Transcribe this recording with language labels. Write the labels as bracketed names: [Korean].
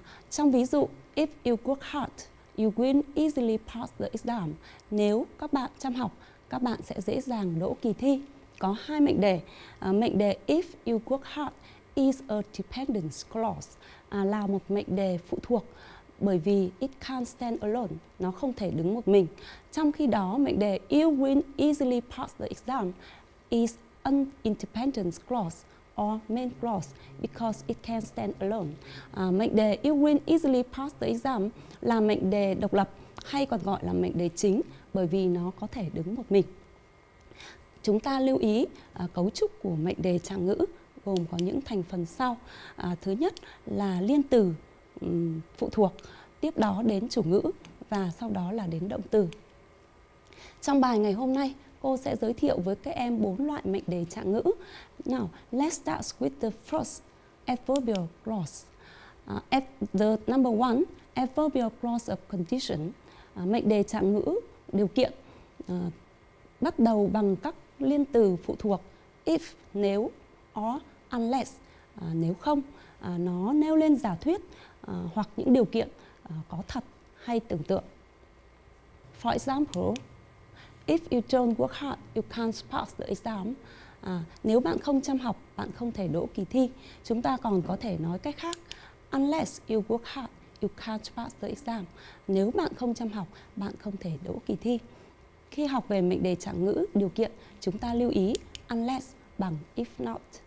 [Vietnamese] Trong ví dụ, [English] if you work hard, you will easily pass the exam. [Vietnamese] Nếu các bạn chăm học, các bạn sẽ dễ dàng đỗ kỳ thi. Có hai mệnh đề. Mệnh đề [English] if you work hard is a dependent clause, [Vietnamese] là một mệnh đề phụ thuộc, bởi vì [English] it can't stand alone, [Vietnamese] nó không thể đứng một mình. Trong khi đó, mệnh đề [English] you will easily pass the exam is an independent clause or main clause because it can stand alone. [Vietnamese] Mệnh đề [English] you will easily pass the exam [Vietnamese] là mệnh đề độc lập hay còn gọi là mệnh đề chính bởi vì nó có thể đứng một mình. Chúng ta lưu ý cấu trúc của mệnh đề trạng ngữ gồm có những thành phần sau. Thứ nhất là liên từ phụ thuộc, tiếp đó đến chủ ngữ và sau đó là đến động từ. Trong bài ngày hôm nay, cô sẽ giới thiệu với các em bốn loại mệnh đề trạng ngữ. [English] Now, let's start with the first adverbial clause. The number one, adverbial clause of condition. [Vietnamese] Mệnh đề trạng ngữ, điều kiện, bắt đầu bằng các liên từ phụ thuộc if, nếu, or, unless, nếu không. Nó nêu lên giả thuyết hoặc những điều kiện có thật hay tưởng tượng. [English] For example, if you don't work hard, you can't pass the exam. [Vietnamese] Nếu bạn không chăm học, bạn không thể đỗ kỳ thi. Chúng ta còn có thể nói cách khác. [English] Unless you work hard, you can't pass the exam. [Vietnamese] Nếu bạn không chăm học, bạn không thể đỗ kỳ thi. Khi học về mệnh đề trạng ngữ, điều kiện, chúng ta lưu ý unless bằng if not.